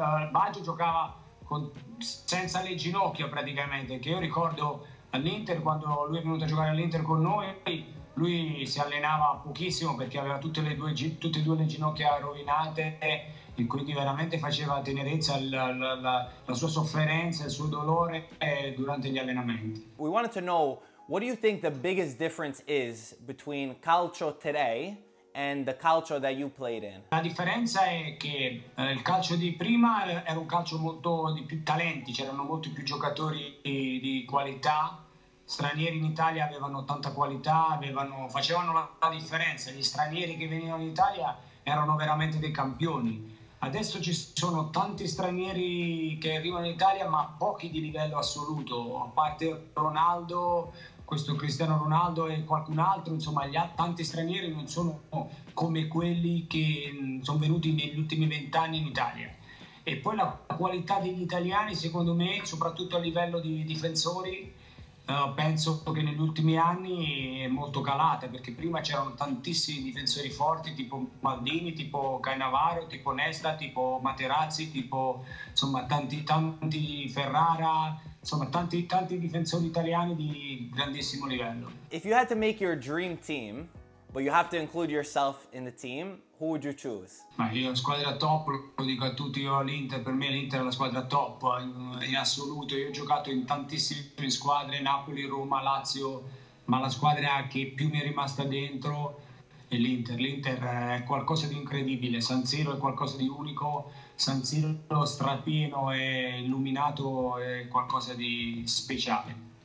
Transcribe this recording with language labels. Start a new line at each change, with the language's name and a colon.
Italian: Baggio giocava senza le ginocchia praticamente, che io ricordo all'Inter, quando lui è venuto a giocare all'Inter con noi, lui si allenava pochissimo perché aveva tutte e due le ginocchia rovinate e quindi veramente faceva tenerezza la sua sofferenza, il suo dolore durante gli allenamenti.
English: We wanted to know, what do you think the biggest difference is between calcio today and the calcio that you played in?
Italian: La differenza è che il calcio di prima era un calcio molto di più talenti, c'erano molti più giocatori di qualità, stranieri in Italia avevano tanta qualità, facevano la differenza, gli stranieri che venivano in Italia erano veramente dei campioni. Adesso ci sono tanti stranieri che arrivano in Italia, ma pochi di livello assoluto, a parte Ronaldo, questo Cristiano Ronaldo e qualcun altro, insomma, tanti stranieri non sono come quelli che sono venuti negli ultimi 20 anni in Italia. E poi la qualità degli italiani, secondo me, soprattutto a livello di difensori, penso che negli ultimi anni è molto calata, perché prima c'erano tantissimi difensori forti, tipo Maldini, tipo Cannavaro, tipo Nesta, tipo Materazzi, tipo insomma tanti Ferrara, insomma tanti difensori italiani di grandissimo livello.
English: If you had to make your dream team, but you have to include yourself in the team, who would you choose?
Italian: Ma io squadra top, lo dico a tutti, io all'Inter, per me l'Inter è la squadra top in assoluto. Io ho giocato in tantissime squadre, Napoli, Roma, Lazio, ma la squadra che più mi è rimasta dentro è l'Inter. L'Inter è qualcosa di incredibile, San Siro è qualcosa di unico, San Siro strapieno e illuminato è qualcosa di speciale.